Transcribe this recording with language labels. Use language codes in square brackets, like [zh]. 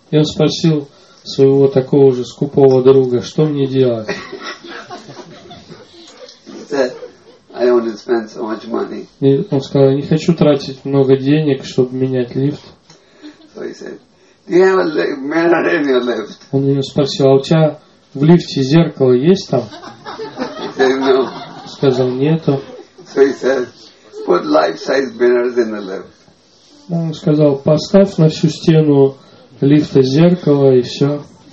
[ru] Я спросил своего такого же скупого друга, что мне делать? [en] He said, I don't spend so much money. [ru] И он сказал, я не хочу тратить много денег, чтобы менять лифт. [en] So he said, do you have a mirror in your lift? [ru] Он ее спросил, а у тебя в лифте зеркало есть там? [en] He said, no. [ru] Сказал, нету. [en] So he said, put life-size mirrors in the lift. [ru] Он сказал, поставь на всю стену лифта зеркало и все.